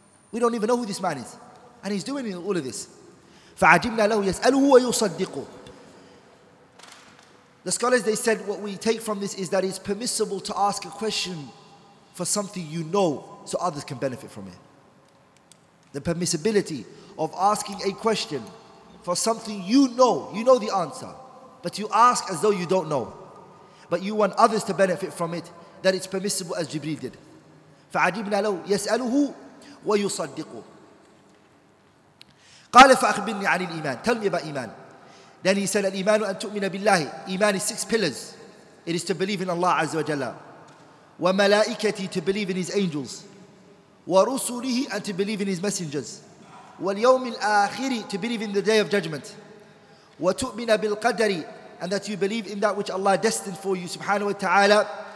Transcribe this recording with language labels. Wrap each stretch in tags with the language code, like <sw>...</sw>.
<en>We don't even know who this man is. And he's doing all of this.</en> <ar>فَعَجِبْنَا لَهُ يَسْأَلُهُ وَيُصَدِّقُ</ar> <en>The scholars, they said, what we take from this is that it's permissible to ask a question for something you know so others can benefit from it. The permissibility of asking a question for something you know the answer, but you ask as though you don't know, but you want others to benefit from it, that it's permissible as Jibreel did.</en> <ar>فَعَجِبْنَا لَهُ يَسْأَلُهُ وَيُصَدِّقُ قال فأخبرني عن الإيمان.</ar> <en>Tell me about إيمان. Then he said,</en> <ar>الإيمان أن تؤمن بالله.</ar> <en>إيمان is six pillars. It is to believe in Allah</en> <ar>عز وجل.</ar> <en>وملائكتي to believe in His angels. ورسله and to believe in His messengers.</en> <ar>واليوم الآخر</ar> <en>to believe in the day of judgment.</en> <ar>وتؤمن بالقدر</ar> <en>and that you believe in that which Allah destined for you</en> <ar>سبحانه وتعالى.</ar>